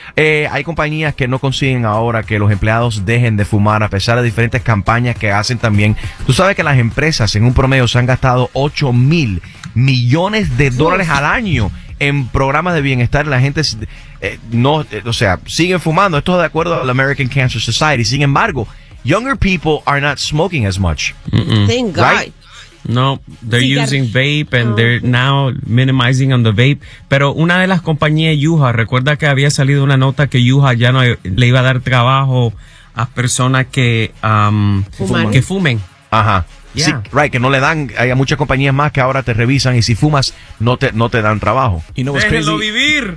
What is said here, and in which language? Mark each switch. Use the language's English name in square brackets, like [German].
[Spanish] Hay compañías que no consiguen ahora que los empleados dejen de fumar, a pesar de diferentes campañas que hacen también. Tú sabes que las empresas en un promedio se han gastado 8 mil millones de dólares al año en programas de bienestar. La gente siguen fumando. Esto es de acuerdo al American Cancer Society. Sin embargo, [English] younger people are not smoking as much. Mm-mm. Thank God. Right? No, they're using vape and they're now minimizing on the vape. [Spanish] Pero una de las compañías, Yuha, recuerda que había salido una nota que Yuha ya no le iba a dar trabajo a personas que fumen. Ajá. Yeah. Sí, right, que no le dan. Hay muchas compañías más que ahora te revisan y si fumas no te dan trabajo. [English] You know what's crazy? [Spanish] Vivir.